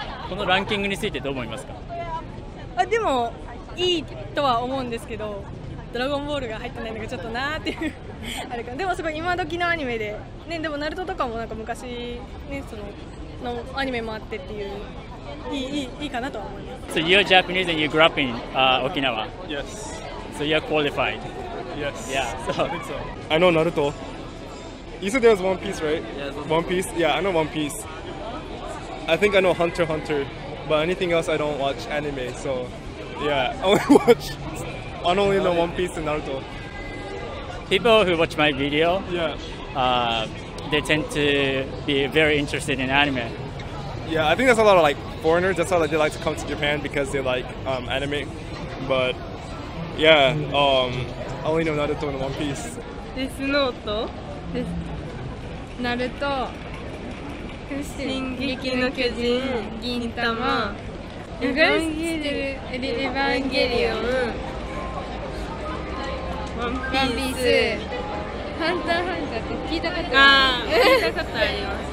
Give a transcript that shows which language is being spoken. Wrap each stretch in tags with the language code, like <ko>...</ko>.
<ja>このランキングについてどう思いますか？あ、でもいいとは思うんですけど、ドラゴンボールが入ってないのがちょっとなーっていうあれか。でもすごい今時のアニメで、ね、でもナルトとかもなんか昔、ね、そののアニメもあってっていう、いいかなとは思います。</ja> <en>So you're Japanese and you grew up in、Okinawa? Yes. So you're qualified? Yes. Yeah, so. I know Naruto. You said there's One Piece, right? Yeah, One Piece. Yeah, I know One Piece. I think I know Hunter x Hunter, but anything else I don't watch anime, so yeah, I only know One Piece and Naruto. People who watch my video, yeah. They tend to be very interested in anime. Yeah, I think that's a lot of like foreigners, that's why they like to come to Japan, because they like anime, but yeah, I only know Naruto and One Piece. Death Note, Naruto.</en> <ja>進撃の巨人、銀魂、エヴァンゲリオン、ワンピース、ハンターハンターって聞いたことある？聞いたことあります。</ja>